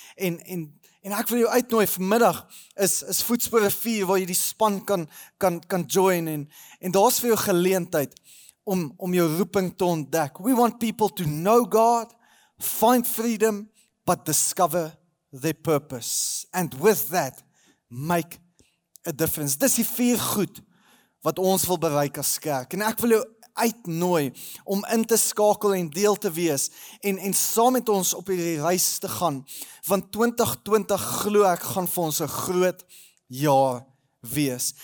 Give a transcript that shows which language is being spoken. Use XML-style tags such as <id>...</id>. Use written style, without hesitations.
<af>En ek wil jou uitnooi vanmiddag is voetspore 4 waar jy die span kan join en daar's vir jou geleentheid om jou roeping te ontdek.</af> <en>We want people to know God, find freedom, but discover their purpose. And with that, make a difference.</en> <af>Dis die 4 goed wat ons wil bereik as kerk. En ek wil jou uitnooi om in te skakel en deel te wees en saam met ons op hierdie reis te gaan. Want 2020 glo ek gaan vir ons 'n groot jaar wees.</af>